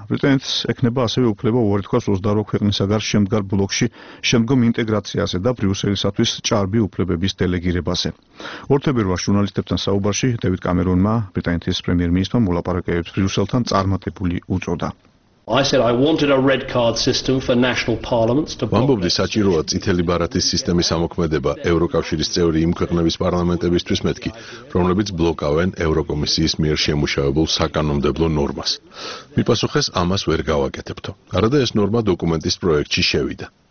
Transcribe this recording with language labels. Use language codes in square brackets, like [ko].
[ka] ბრიტანეთს ექნება ასევე უფლება უარეთქვას 28 ქვეყნისაგან შემდგარ ბლოკში შემდგომ ინტეგრაციაზე და ბრიუსელისათვის ჭარბი უფლებების დელეგირებაზე. 2 თებერვალს ჟურნალისტებთან საუბარში დევიდ კამერონმა ბრიტანეთის პრემიერ-მინისტრმა მოლაპარაკებებს ბრიუსელთან წარმატებული უწოდა. [en] I said I wanted a red card system for national parliaments to [ka] ბამბობდი საჭიროა წითელი ბარათის სისტემის ამოქმედება ევროკავშირის წევრი იმ ქვეყნების პარლამენტებისთვის მეთქი რომლებიც ბლოკავენ ევროკომისიის მიერ შემუშავებულ საკანონმდებლო ნორმას. მიპასუხეს ამას ვერ გავაკეთებთო. არადა ეს ნორმა დოკუმენტის პროექტში შევიდა.